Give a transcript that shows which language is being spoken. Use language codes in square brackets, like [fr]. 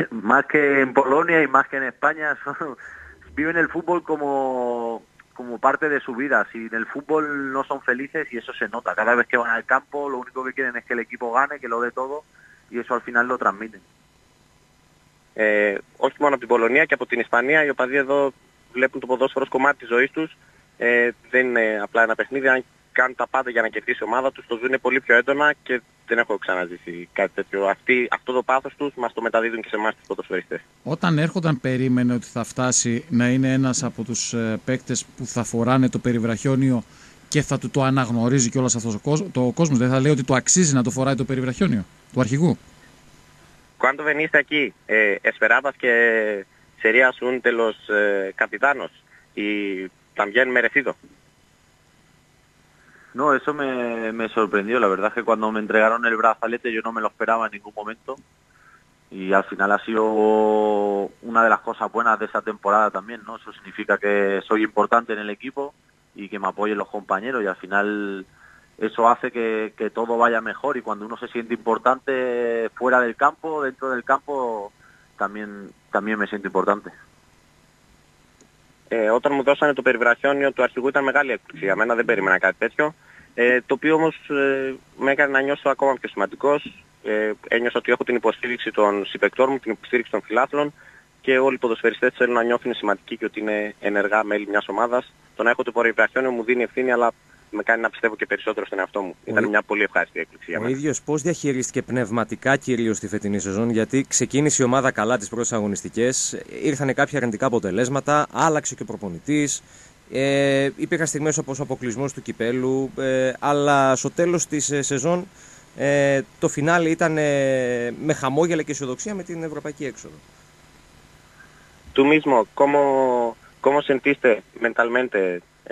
[es] Más que en Polonia y más que en España, son, viven el fútbol como, como parte de su vida. Si en el fútbol no son felices, y eso se nota. Cada vez que van al campo, lo único que quieren es que el equipo gane, que lo dé todo, y eso al final lo transmiten. [el] Όχι μόνο από την Πολωνία και από την Ισπανία, οι οπαδοί εδώ βλέπουν το ποδόσφαιρο ως κομμάτι της ζωής τους. Δεν είναι απλά ένα παιχνίδι, αν κάνουν τα πάντα για να κερδίσει η ομάδα τους, το ζουν πολύ πιο έντονα και δεν έχω ξαναζήσει κάτι τέτοιο. Αυτό το πάθος τους μας το μεταδίδουν και σε εμάς τους ποδοσφαιριστές. Όταν έρχονταν περίμενε ότι θα φτάσει να είναι ένας από τους παίκτες που θα φοράνε το περιβραχιόνιο και θα του το αναγνωρίζει κιόλας αυτός ο κόσμος, δεν θα λέει ότι το αξίζει να το φοράει το περιβραχιόνιο του αρχηγού? [es] Cuando veniste aquí, esperabas que serías un de los capitanos y también merecido. No, eso me sorprendió. La verdad es que cuando me entregaron el brazalete yo no me lo esperaba en ningún momento. Y al final ha sido una de las cosas buenas de esa temporada también, ¿no? Eso significa que soy importante en el equipo y que me apoyen los compañeros. Y al final eso hace que todo vaya mejor y cuando uno se siente importante fuera del campo, dentro del campo, también me siento importante. [el] Όταν μου δώσανε το περιβραχιόνιο του αρχηγού ήταν μεγάλη έκπληξη για μένα, δεν περίμενα κάτι τέτοιο. Το οποίο όμως με έκανε να νιώσω ακόμα πιο σημαντικός. Ένιωσα ότι έχω την υποστήριξη των συμπαικτών μου, την υποστήριξη των φιλάθλων και όλοι οι ποδοσφαιριστές θέλουν να νιώθουν σημαντικοί και ότι είναι ενεργά μέλη μιας ομάδας. Το να έχω το περιβραχιόνιο μου δίνει ευθύνη, αλλά με κάνει να πιστεύω και περισσότερο στον εαυτό μου. Ήταν μια πολύ ευχάριστη έκπληξη για μένα. Ο ίδιος πώς διαχειρίστηκε πνευματικά κυρίως τη φετινή σεζόν, γιατί ξεκίνησε η ομάδα καλά τις πρώτες αγωνιστικές, ήρθαν κάποια αρνητικά αποτελέσματα, άλλαξε και ο προπονητής, υπήρχαν στιγμές όπως ο αποκλεισμός του κυπέλου, αλλά στο τέλος της σεζόν το φινάλι ήταν με χαμόγελα και αισιοδοξία με την ευρωπαϊκή έξοδο. [es] Του mismo, ¿cómo sentiste mentalmente?